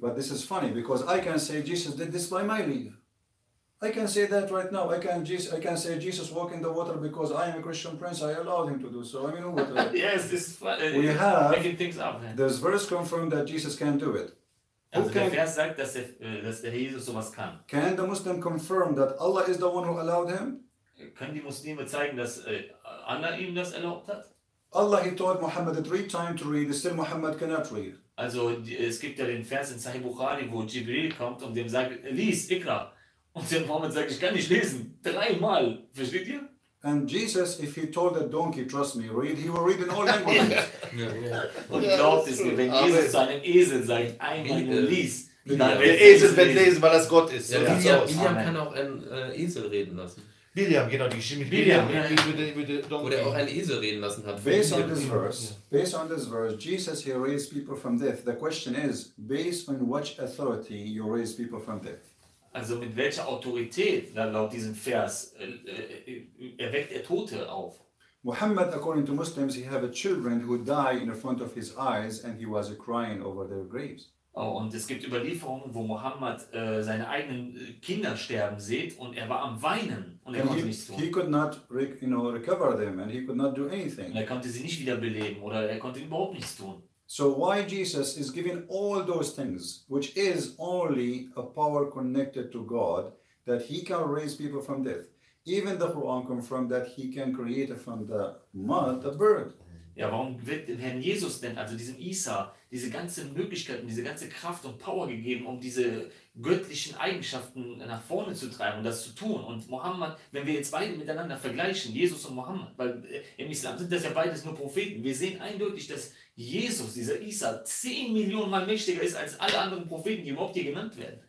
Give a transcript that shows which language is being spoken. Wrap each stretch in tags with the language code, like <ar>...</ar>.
<en>But this is funny because I can say Jesus did this by my leave. I can say that right now. I can say Jesus walk in the water because I am a Christian prince. I allowed him to do so. I mean, yes, this is we have making things up. There's verse confirmed that Jesus can do it.</en> <de>Also der Vers sagt, dass der Jesus sowas kann.</de> <en>Can the Muslim confirm that Allah is the one who allowed him?</en> <de>Können die Muslime zeigen, dass Allah ihm das erlaubt hat?</de> <en>Allah, he taught Muhammad 3 times to read. Still, Muhammad cannot read.</en> <de>Also es gibt ja den Vers in Sahih Bukhari, wo Jibril kommt und dem sagt, lies, ikra. Und der Mohammed sagt, ich kann nicht lesen.</de> <en>3 times.</en> <de>Versteht ihr?</de> <en>And Jesus, if he told a donkey, trust me, read, he will read in all languages.</en> <de>Und glaubt es mir, wenn Jesus zu einem Esel sagt, einmal lies, dann wird Esel wird lesen, weil das Gott ist. Ja, so Biliam kann auch einen Esel reden lassen. Biliam, genau, die Geschichte mit Biliam. Wo der auch einen Esel reden lassen hat.</de> <en>Based on this verse, Jesus, he raised people from death. The question is, based on which authority you raise people from death?</en> <de>Also mit welcher Autorität, dann laut diesem Vers, erweckt er Tote auf?</de> <en>Muhammad, according to Muslims, he have a children who die in front of his eyes and he was crying over their graves.</en> <de>Oh, und es gibt Überlieferungen, wo Muhammad seine eigenen Kinder sterben sieht und er war am Weinen und er konnte nichts tun.</de> <en>He could not recover them and he could not do anything.</en> <de>Und er konnte sie nicht wiederbeleben oder er konnte überhaupt nichts tun.</de> <en>So why Jesus is giving all those things, which is only a power connected to God, that he can raise people from death. Even the Quran confirmed that he can create from the mud a bird.</en> <de>Ja, warum wird dem Herrn Jesus denn, also diesem Isa, diese ganzen Möglichkeiten, diese ganze Kraft und Power gegeben, um diese göttlichen Eigenschaften nach vorne zu treiben und das zu tun? Und Mohammed, wenn wir jetzt beide miteinander vergleichen, Jesus und Mohammed, weil im Islam sind das ja beides nur Propheten, wir sehen eindeutig, dass Jesus, dieser Isa, 10 Millionen Mal mächtiger ist als alle anderen Propheten, die überhaupt hier genannt werden.</de>